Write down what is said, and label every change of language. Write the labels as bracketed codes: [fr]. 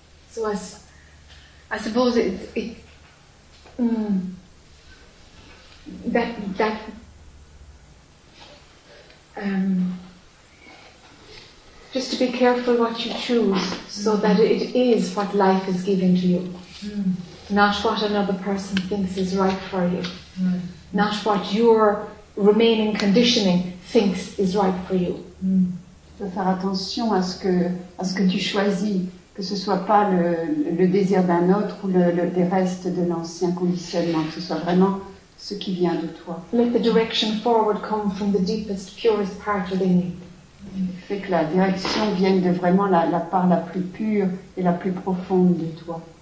[en] So I suppose just to be careful what you choose so that it is what life is giving to you. Mm. Not what another person thinks is right for you. Mm. Not what your remaining conditioning thinks is right for you. [fr] Mm. Faire attention à ce que tu choisis. Que ce ne soit pas le désir d'un autre ou des restes de l'ancien conditionnement, que ce soit vraiment ce qui vient de toi. [en] Let the direction forward come from the deepest, purest part within you. [fr] Fait que la direction vienne de vraiment la part la plus pure et la plus profonde de toi.